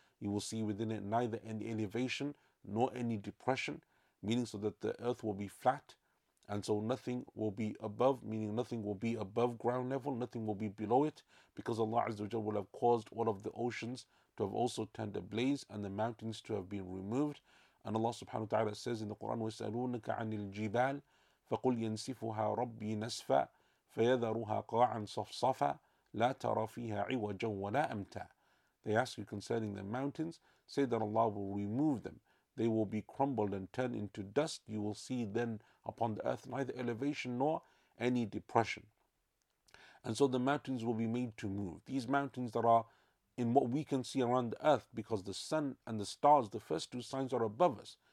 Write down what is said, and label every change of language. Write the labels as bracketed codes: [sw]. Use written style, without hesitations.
[en] You will see within it neither any elevation nor any depression, meaning so that the earth will be flat, and so nothing will be above, meaning nothing will be above ground level, nothing will be below it, because Allah Azza wa Jalla will have caused all of the oceans to have also turned ablaze and the mountains to have been removed. And Allah subhanahu wa ta'ala says in the Quran, [ar] وَيَسْأَلُونَكَ عَنِ الْجِبَالِ فَقُلْ يَنْسِفُهَا رَبِّي نَسْفًا فَيَذَرُهَا قَاعًا صَفْصَفًا لَا تَرَى فِيهَا عِوَجًا وَلَا أَمْتًا. [en] They ask you concerning the mountains, say that Allah will remove them. They will be crumbled and turned into dust. You will see then upon the earth neither elevation nor any depression. And so the mountains will be made to move. These mountains that are in what we can see around the earth, because the sun and the stars, the first two signs, are above us.